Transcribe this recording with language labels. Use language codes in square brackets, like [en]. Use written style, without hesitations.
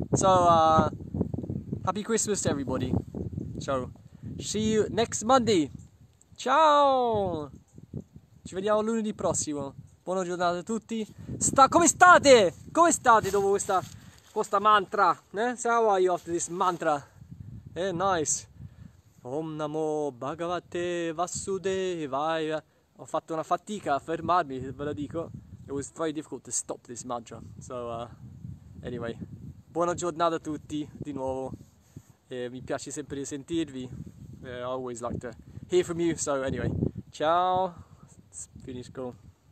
[en] So, happy Christmas to everybody. So, see you next Monday. [it] Ciao. Ci vediamo lunedì prossimo. Buon Buona giornata a tutti. Come state? Come state dopo questa mantra? Sai come ho fatto questa mantra? Nice. [sa] Om Namo Bhagavate Vasudevaya. [it] Ho fatto una fatica a fermarmi, ve la dico. [en] It was very difficult to stop this mantra. So, anyway. [it] Buona giornata a tutti, di nuovo. Mi piace sempre sentirvi. [en] I always like to hear from you. So, anyway. Ciao. Finish call.